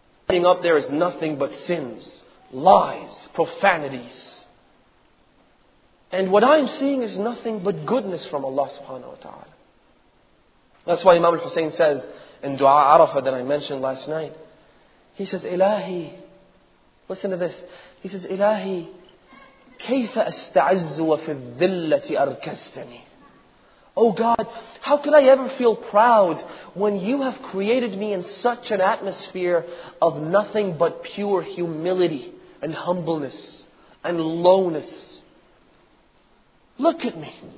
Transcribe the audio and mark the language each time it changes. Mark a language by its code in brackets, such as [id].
[en] Up there is nothing but sins, lies, profanities. And what I'm seeing is nothing but goodness from Allah subhanahu wa ta'ala. That's why Imam al-Hussein says in Dua Arafah that I mentioned last night, he says, Ilahi, Listen to this. He says, [ar] إلهي كيف أستعز وفي الذلة أركستني. [en] Oh God, how can I ever feel proud when you have created me in such an atmosphere of nothing but pure humility and humbleness and lowness? Look at me.